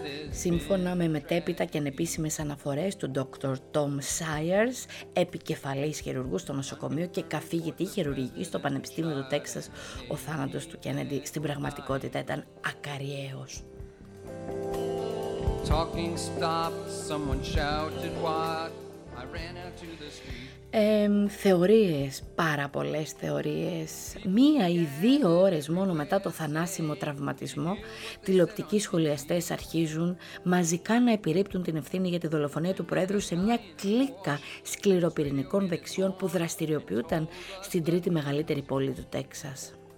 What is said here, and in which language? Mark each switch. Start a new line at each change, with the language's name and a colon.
Greek: Σύμφωνα με μετέπειτα και ανεπίσημες αναφορές του Dr. Tom Sayers, επικεφαλής χειρουργού στο νοσοκομείο και καθηγητή χειρουργικής στο Πανεπιστήμιο του Τέξας, ο θάνατος του Κένεντι στην πραγματικότητα ήταν ακαριαίος.
English: Talking stopped, someone shouted what? I ran out to the street.
Greek: Θεωρίες, πάρα πολλές θεωρίες. Μία ή δύο ώρες μόνο μετά το θανάσιμο τραυματισμό, τηλεοπτικοί σχολιαστές αρχίζουν μαζικά να επιρρύπτουν την ευθύνη για τη δολοφονία του Προέδρου σε μια κλίκα σκληροπυρηνικών δεξιών που δραστηριοποιούταν στην τρίτη μεγαλύτερη πόλη του Τέξας.